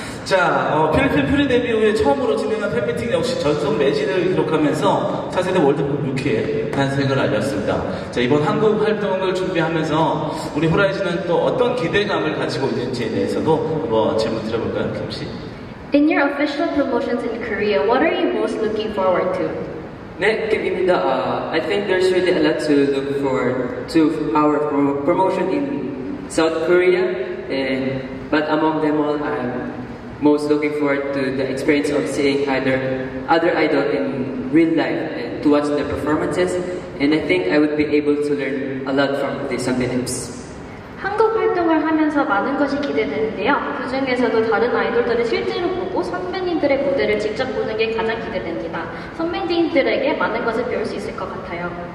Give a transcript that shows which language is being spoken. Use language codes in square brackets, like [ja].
[ko] 자, 필리핀 프리 데뷔 후에 처음으로 진행한 팬미팅 역시 전성 매진을 기록하면서 차세대 월드컵 루키의 탄생을 알렸습니다. 자, 이번 한국 활동을 준비하면서 우리 호라이즌은 또 어떤 기대감을 가지고 있는지에 대해서도 한번 질문 드려볼까요, 김씨? [en] In your official promotions in Korea, what are you most looking forward to? [ko] 네, 김입니다. [en] I think there's really a lot to look forward to our promotion in South Korea, but among them all, I'm most looking forward to the experience of seeing either other idol in real life and to watch their performances, and I think I would be able to learn a lot from the Sunbeams. [ko] 한국 활동을 하면서 많은 것이 기대되는데요. 그 중에서도 다른 아이돌들을 실제로 보고 선배님들의 무대를 직접 보는 게 가장 기대됩니다. 선배님들에게 많은 것을 배울 수 있을 것 같아요.